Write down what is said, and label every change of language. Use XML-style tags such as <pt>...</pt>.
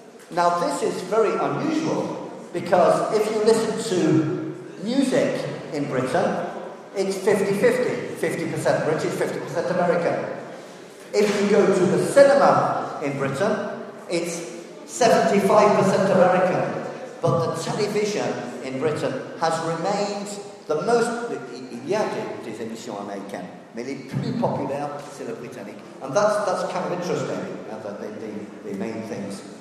<en>Now, this is very unusual, because if you listen to music in Britain, it's 50-50, 50% British, 50% American. If you go to the cinema in Britain, it's 75% American. But the television in Britain has remained the most...</en> <fr>Il y a des émissions américaines, mais les plus populaires, c'est le britannique.</fr> <en>And that's kind of interesting, the main things.</en>